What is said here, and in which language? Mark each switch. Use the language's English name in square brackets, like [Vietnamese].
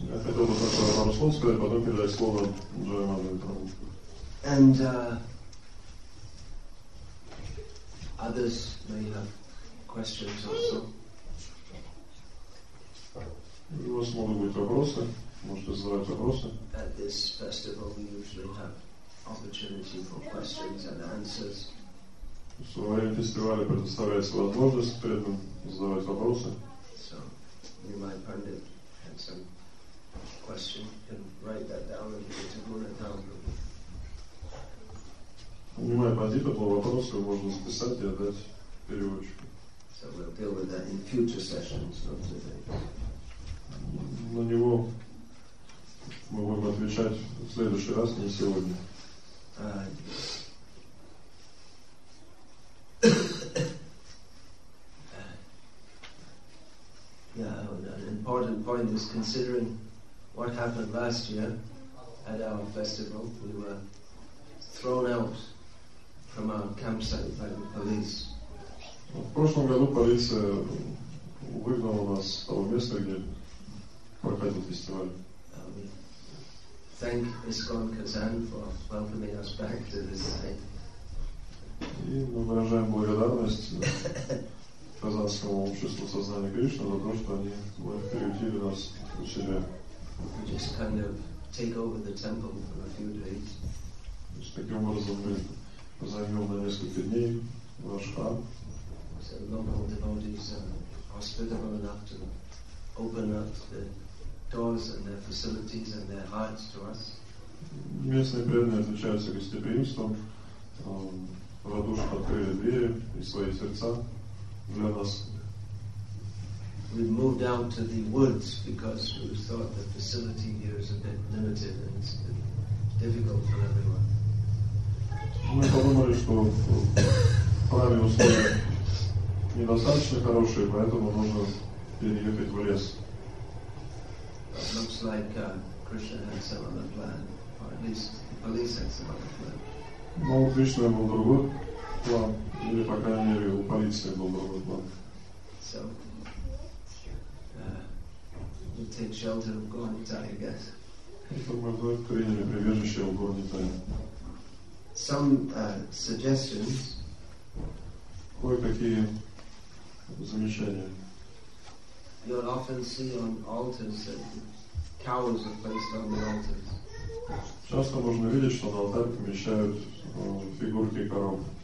[Russian] Я хотел бы только вам слово сказать, потом передать слово Джай Мадхава Прабху. [English] And others may have questions also. [Russian] У вас могут быть вопросы, можете задавать вопросы. [English] At this festival we usually have opportunity for questions and answers. [Russian] Во время фестиваля предоставляется возможность при этом задавать вопросы. [English] So you might find it had some question. You can write that down and give it to Guna Dhamma. [Russian] Понимаю, Пандита, по вопросу можно записать и отдать переводчику. [English] So we'll deal with that in future sessions, not today. [Russian] На него мы будем отвечать в следующий раз, не сегодня. Uh, [English] an important point is considering what happened last year at our festival. We were thrown out from our campsite by the police. [Russian] В прошлом году полиция выгнала нас с того места, где проходил фестиваль. [English] Thank ISKCON Kazan for welcoming us back to this site. [Russian] И мы выражаем благодарность казанскому обществу сознания Кришны за то, что они приютили нас у себя. [English] We just kind of take over the temple for a few days. [Russian] Таким образом мы займем на несколько дней ваш храм. [English] So local devotees are hospitable enough to open up the doors and their facilities and their hearts to us. [Russian] Местные преданные отличаются гостеприимством. Радушно открыли двери и свои сердца для нас. [English] We moved out to the woods because we thought the facility here is a bit limited and it's been difficult for everyone. [Russian] Мы подумали, что правильные условия недостаточно хорошие, поэтому нужно переехать в лес. [English] It looks like Krishna had some other plan, or at least the police had some other plan. [Russian] Но у Кришны был другой план, или, по крайней мере, у полиции был другой план. [English] So, we'll take shelter of Gornitai, I guess. [Russian] Это мы вновь приняли прибежище в Горнитае. [English] Some suggestions. [Russian] Кое-какие замечания. [English] You'll often see on altars that cows are placed on the altars. [Russian] Часто можно видеть, что на алтарь помещают фигурки коров.